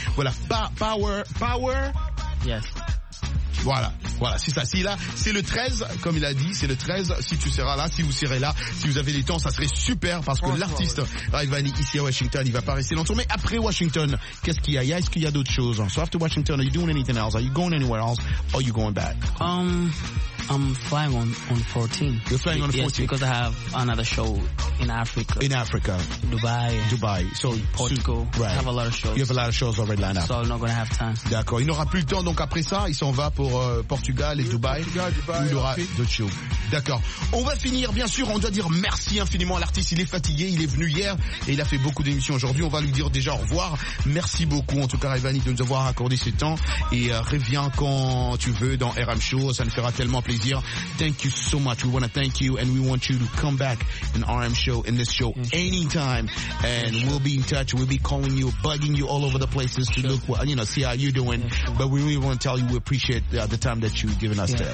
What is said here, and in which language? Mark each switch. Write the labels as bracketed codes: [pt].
[fr] Voilà, Power. [en] Yes. [fr] Voilà, c'est ça. S'il a, c'est le 13, comme il a dit, c'est le 13. Si tu seras là, si vous serez là, si vous avez du temps, ça serait super parce que l'artiste Rayvanny ici à Washington, il va pas rester longtemps. Mais après Washington, qu'est-ce qu'il y a? Est-ce qu'il y a d'autres choses? [en] So after Washington, are you doing anything else? Are you going anywhere else? Or are you going back? I'm flying on 14. You're flying on 14? Yes, because I have another show in Africa. In Africa. Dubai. So, Portugal. Right. I have a lot of shows. You have a lot of shows already lined up. So I'm not going to have time. [fr] D'accord. Il n'aura plus le temps, donc après ça, il s'en va pour Portugal et Dubaï. Portugal, il y aura d'autres shows. D'accord. On va finir, bien sûr, on doit dire merci infiniment à l'artiste. Il est fatigué, il est venu hier et il a fait beaucoup d'émissions aujourd'hui. On va lui dire déjà au revoir. Merci beaucoup, en tout cas, Rayvanny, de nous avoir accordé ce temps. Et reviens quand tu veux dans RM Show. Ça nous fera tellement plaisir. [en] Thank you so much. We want to thank you and we want you to come back in RM Show, in this show, anytime. And we'll be in touch. We'll be calling you, bugging you all over the places to look, you know, see how you're doing. But we really want to tell you we appreciate the time that you've given us today.